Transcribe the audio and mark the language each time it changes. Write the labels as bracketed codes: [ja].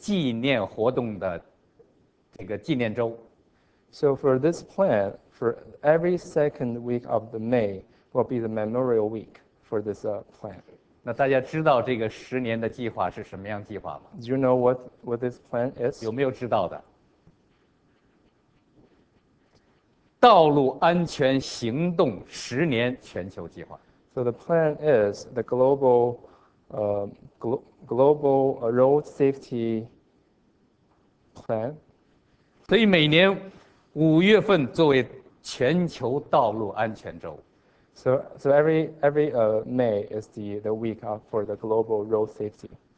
[zh] 那在这个计划中决定每年5月份的第二周做一个全球纪念活动的这个纪念周。 [en] So for this plan, for every second week of the May will be the memorial week for this plan. [zh] 那大家知道这个10年的计划是什么样计划吗？ [en] Do you know what this plan is? [zh] 有没有知道的？道路安全行动10年全球计划。 [en] So the plan is the global road safety plan. [zh] 所以每年5月份作为全球道路安全周。 [en] So every May is the week for the global road safety.